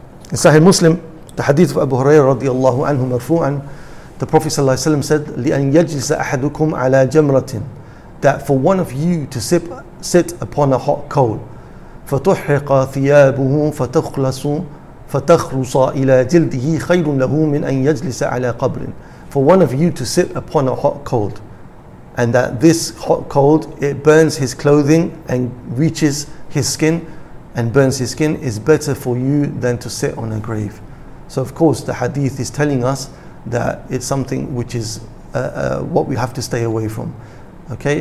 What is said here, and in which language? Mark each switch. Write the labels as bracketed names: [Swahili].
[English] In Sahih Muslim, the hadith of Abu Hurairah radiallahu anhu marfu'an, the Prophet ﷺ said, [Arabic] لِأَنْ يَجْلِسَ أَحَدُكُمْ عَلَى جَمْرَةٍ, [English] that for one of you to sit upon a hot coal, [Arabic] فَتُحْرِقَ ثِيَابُهُ فَتُخْلَصُ فتخرص إلى جلده خير له من أن يجلس على قبر. [English] For one of you to sit upon a hot cold, and that this hot cold, it burns his clothing and reaches his skin and burns his skin, is better for you than to sit on a grave. So of course the hadith is telling us that it's something which is what we have to stay away from. Okay.